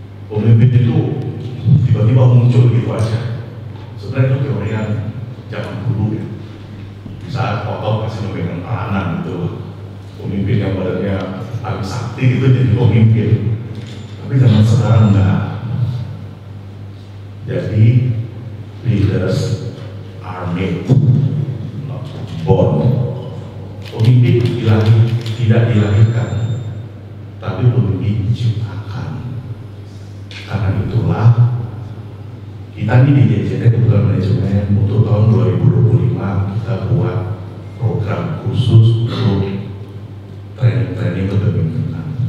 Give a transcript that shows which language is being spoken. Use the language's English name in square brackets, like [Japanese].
[Indonesian] Pemimpin itu tiba-tiba muncul gitu aja. Sebenarnya itu teori yang zaman dulu ya. Saat otot masih memegang peranan gitu. Pemimpin yang badannya agak sakti itu jadi pemimpin. Tapi zaman sekarang enggak. Jadi [English] leaders are made, not born. [Indonesian] Pemimpin tidak dilahirkan, tapi pemimpin diciptakan. Karena itulah kita ini di JCT Kebutuhan Manajemen untuk tahun 2025 kita buat program khusus untuk training-training kepemimpinan.